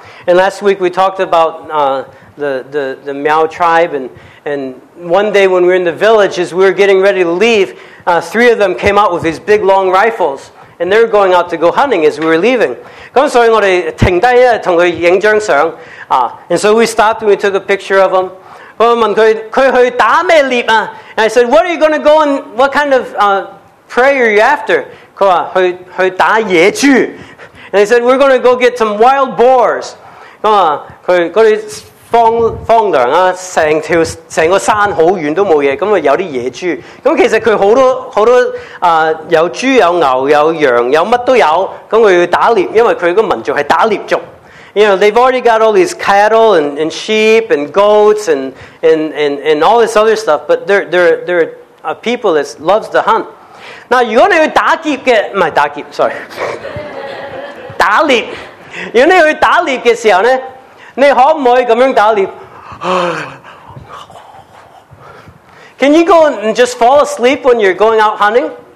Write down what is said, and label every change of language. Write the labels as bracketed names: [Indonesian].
[English] And last week we talked about the Miao tribe, and one day when we were in the village, as we were getting ready to leave, three of them came out with these big long rifles, and they were going out to go hunting as we were leaving. [Cantonese] 咁所以我哋停低咧，同佢影张相啊。 [English] And so we stopped and we took a picture of them. [Cantonese] 我问佢去打咩猎啊 [English] ？And I said, what are you going to go and what kind of prayer you after? [Cantonese] 佢話去打野豬。 [English] And he said, we're going to go get some wild boars. [Cantonese] 咁啊，佢嗰啲荒涼啊，成個山好遠都冇嘢，咁啊有啲野豬。咁其實佢好多啊，有豬有牛有羊有乜都有。咁佢要打獵，因為佢個民族係打獵族。 [English] You know, they've already got all these cattle and sheep and goats and all this other stuff, but they're a people that loves to hunt. [Cantonese] Now, 如果你去打劫嘅，唔係打劫 ，sorry， 打獵。如果你去打獵嘅時候咧，你可唔可以咁樣打獵？ [English] Can you go and just fall asleep when you're going out hunting？